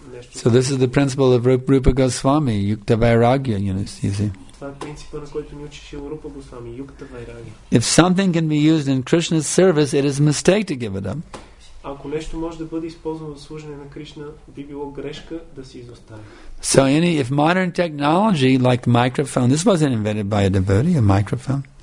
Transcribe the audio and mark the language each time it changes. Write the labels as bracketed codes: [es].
[en] So this is the principle of Rupa Goswami, Yukta Vairagya, you see. If something can be used in Krishna's service, it is a mistake to give it up. [bg] Ако нещо може да бъде използвано за служене на Кришна, би било грешка да се изостави. [en] So any, if modern technology like microphone, this wasn't invented by a devotee, a microphone.